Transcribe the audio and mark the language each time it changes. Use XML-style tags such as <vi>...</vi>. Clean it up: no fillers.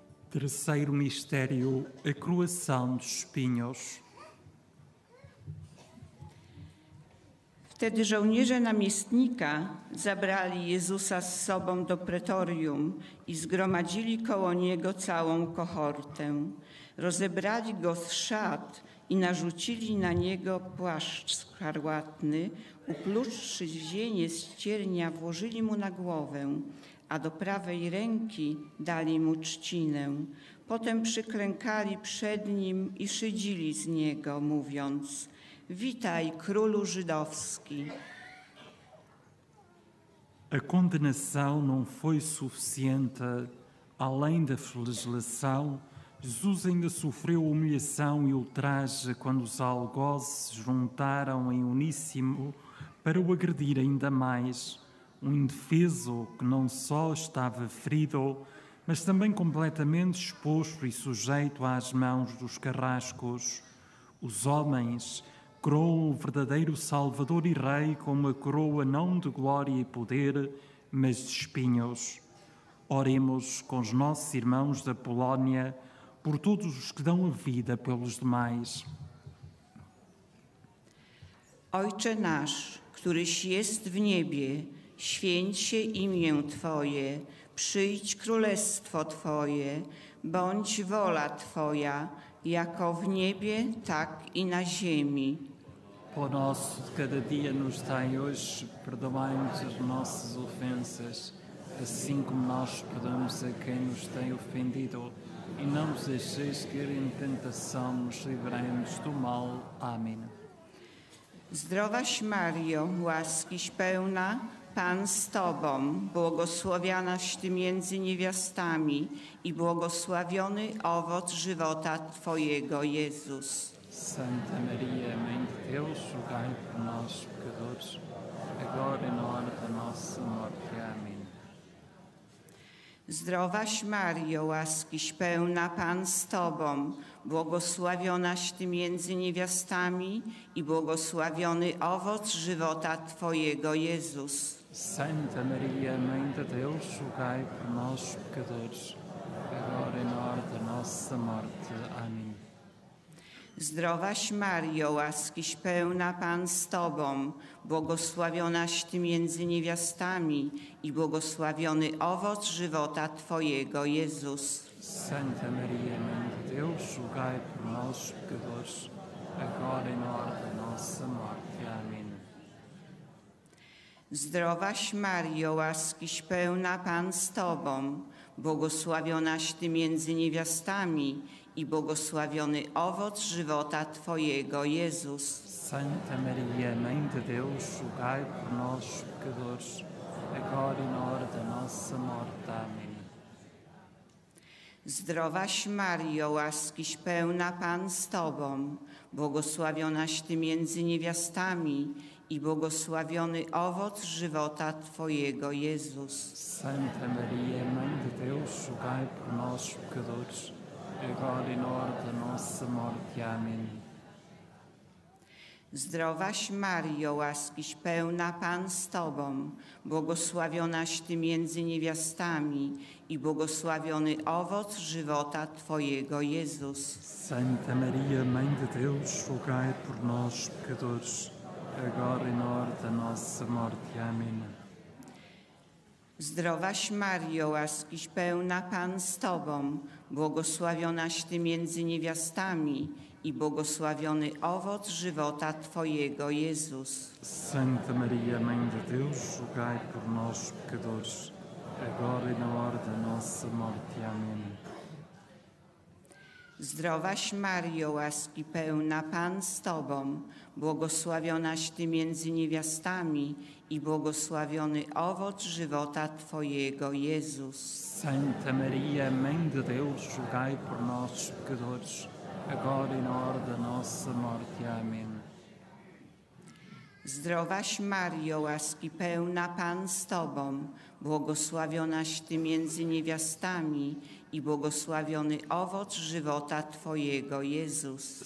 <pt>Terceiro mistério, a coroação dos espinhos.</pt> <pl>Wtedy żołnierze namiestnika zabrali Jezusa z sobą do pretorium i zgromadzili koło Niego całą kohortę. Rozebrali Go z szat i narzucili na Niego płaszcz szarłatny, upluszczy zienie z ciernia włożyli Mu na głowę, a do prawej ręki dali Mu trzcinę. Potem przyklękali przed Nim i szydzili z Niego, mówiąc: Witaj, królu żydowski.</pl> <pt>A condenação não foi suficiente. Além da flagelação, Jesus ainda sofreu humilhação e ultraje quando os algozes se juntaram em uníssimo para o agredir ainda mais. Um indefeso que não só estava ferido, mas também completamente exposto e sujeito às mãos dos carrascos. Os homens coroam o verdadeiro Salvador e Rei com uma coroa não de glória e poder, mas de espinhos. Oremos com os nossos irmãos da Polónia por todos os que dão a vida pelos demais.</pt> <pl>Ojcze nasz, któryś jest w niebie, święć się imię Twoje, przyjdź królestwo Twoje, bądź wola Twoja, jako w niebie, tak i na ziemi.</pl> <pt>Pão nosso de cada dia nos dai hoje, perdoai-nos as nossas ofensas, assim como nós perdoamos a quem nos tem ofendido. E não nos deixeis cair em tentação, nos livrai-nos do mal. Amém.</pt> <pl>Zdrowaś Mario, łaskiś pełna, Pan z Tobą, błogosławianaś Ty między niewiastami i błogosławiony owoc żywota Twojego, Jezus.</pl> <pt>Santa Maria, Mãe de Deus, rogai por nós, pecadores, agora e na hora da nossa morte. Amém.</pt> <pl>Zdrowaś Mario, łaskiś pełna, Pan z Tobą, błogosławionaś Ty między niewiastami i błogosławiony owoc żywota Twojego, Jezus.</pl> <pt>Santa Maria, Mãe de Deus, rogai por nós, pecadores, agora e na hora da nossa morte. Amém.</pt> <pl>Zdrowaś Mario, łaskiś pełna, Pan z Tobą, błogosławionaś Ty między niewiastami i błogosławiony owoc żywota Twojego, Jezus.</pl> <pt>Santa Maria, Mãe de Deus, rogai por nós, pecadores, agora e na hora da nossa morte. Amém.</pt> <pl>Zdrowaś Mario, łaskiś pełna, Pan z Tobą, błogosławionaś Ty między niewiastami i błogosławiony owoc żywota Twojego, Jezus.</pl> <pt>Santa Maria, Mãe de Deus, rogai por nós, pecadores, agora e na hora da nossa morte. Amém.</pt> <pl>Zdrowaś Mario, łaskiś pełna, Pan z Tobą, błogosławionaś Ty między niewiastami i błogosławiony owoc żywota Twojego, Jezus.</pl> <pt>Santa Maria, Mãe de Deus, rogai por nós, pecadores, agora e na hora da nossa morte. Amém.</pt> <pl>Zdrowaś Mario, łaskiś pełna, Pan z Tobą, błogosławionaś Ty między niewiastami i błogosławiony owoc żywota Twojego, Jezus.</pl> <pt>Santa Maria, Mãe de Deus, rogai por nós, pecadores, agora e na hora da nossa morte. Amém.</pt> <pl>Zdrowaś Mario, łaskiś pełna, Pan z Tobą, błogosławionaś Ty między niewiastami i błogosławiony owoc żywota Twojego, Jezus.</pl> <pt>Santa Maria, Mãe de Deus, rogai por nós, pecadores, agora e na hora da nossa morte. Amém.</pt> <pl>Zdrowaś Mario, łaski pełna, Pan z Tobą, błogosławionaś Ty między niewiastami i błogosławiony owoc żywota Twojego, Jezus.</pl> <pt>Santa Maria, Mãe de Deus, rogai por nós, pecadores, agora e na hora da nossa morte. Amém.</pt> <pl>Zdrowaś Mario, łaski pełna, Pan z Tobą, błogosławionaś Ty między niewiastami i błogosławiony owoc żywota Twojego, Jezus.</pl>